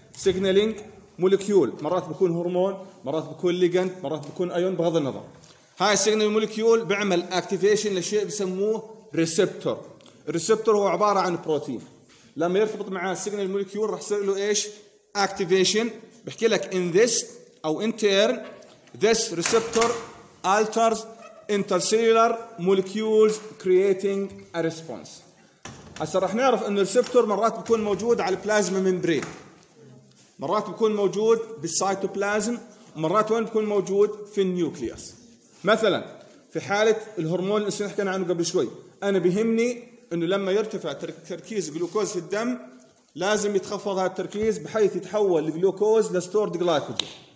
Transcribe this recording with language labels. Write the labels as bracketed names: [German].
[Arabic] signaling molecule مرات بكون هرمون، مرات بكون ligand، مرات بكون ion بغض النظر. هاي signaling molecule بعمل activation لشيء بسموه receptor. receptor هو عبارة عن بروتين. لما يرتبط معاه signaling molecule راح يصير له إيش؟ activation. بحكي لك [English] in this أو in turn this receptor alters intercellular molecules creating a response. [Arabic] هسه راح نعرف انه الريسبتور مرات بيكون موجود على البلازما ميمبرين، مرات بيكون موجود بالسيتوبلازم، مرات وين بيكون موجود في النيوكليوس. مثلا في حاله الهرمون اللي حكينا عنه قبل شوي، انا بهمني انه لما يرتفع تركيز جلوكوز في الدم لازم يتخفض هذا التركيز بحيث يتحول الجلوكوز لستورد جلايكوجين.